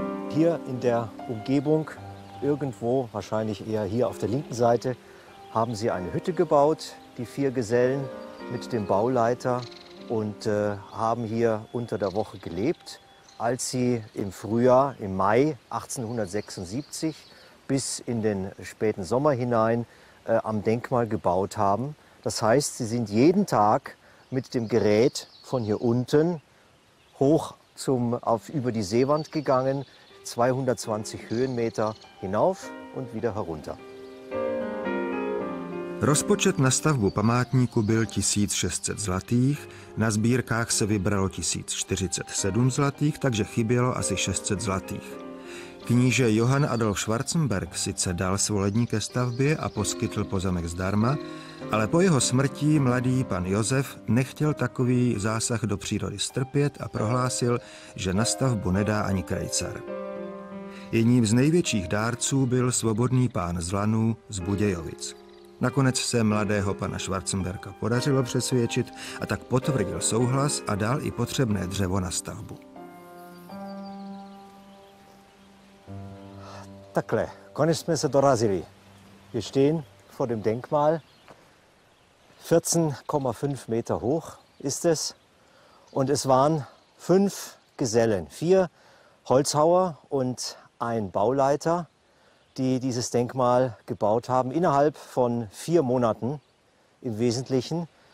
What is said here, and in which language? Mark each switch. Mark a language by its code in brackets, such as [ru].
[de] Hier in der Umgebung, irgendwo, wahrscheinlich eher hier auf der linken Seite, haben sie eine Hütte gebaut, die vier Gesellen mit dem Bauleiter, und haben hier unter der Woche gelebt, als sie im Frühjahr, im Mai 1876 bis in den späten Sommer hinein am Denkmal gebaut haben. Das heißt, sie sind jeden Tag mit dem Gerät von hier unten hoch über die Seewand gegangen, 220 Höhenmeter hinauf und wieder herunter. [cs] Rozpočet na stavbu památníku byl 1600 zlatých, na sbírkách se vybralo 1047 zlatých, takže chybělo asi 600 zlatých. Kníže Johann Adolf Schwarzenberg sice dal svolení ke stavbě a poskytl pozemek zdarma, ale po jeho smrti mladý pan Josef nechtěl takový zásah do přírody strpět a prohlásil, že na stavbu nedá ani krejcar. Jedním z největších dárců byl svobodný pán Zlanů z Budějovic. Nakonec se mladého pana Schwarzenberga podařilo přesvědčit a tak potvrdil souhlas a dal i potřebné dřevo na stavbu. Takhle, konečně jsme se dorazili. [de] Wir stehen vor dem Denkmal. 14,5 Meter hoch ist es. Und es waren fünf Gesellen, vier Holzhauer und ein Bauleiter, die dieses Denkmal gebaut haben, innerhalb von vier Monaten im Wesentlichen.